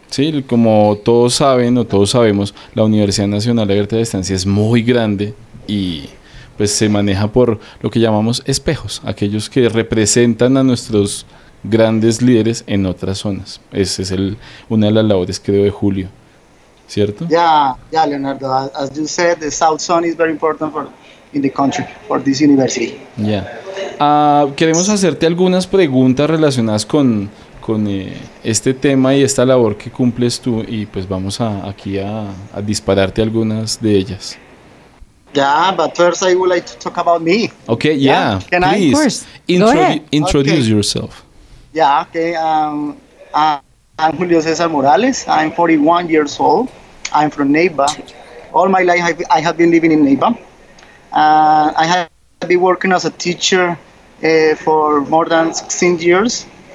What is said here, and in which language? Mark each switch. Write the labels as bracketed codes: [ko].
[es] Sí, como todos saben o todos sabemos, la Universidad Nacional Abierta de Distancia es muy grande y pues se maneja por lo que llamamos espejos, aquellos que representan a nuestros grandes líderes en otras zonas. Esa es una de las labores, creo, de Julio, ¿cierto? [en] Yeah, Leonardo, as you said, the South Zone is very important in the country, for this university. Yeah. [es] Queremos hacerte algunas preguntas relacionadas con este tema y esta labor que cumples tú, y pues vamos aquí a dispararte algunas de ellas. [en] Yeah, but first I would like to talk about me. Okay, yeah. Can please. Of course. Introduce okay. yourself. Yeah, okay. I'm Julio Cesar Morales. I'm 41 years old. I'm from Neiva. All my life I have been living in Neiva. I have been working as a teacher for more than 16 years.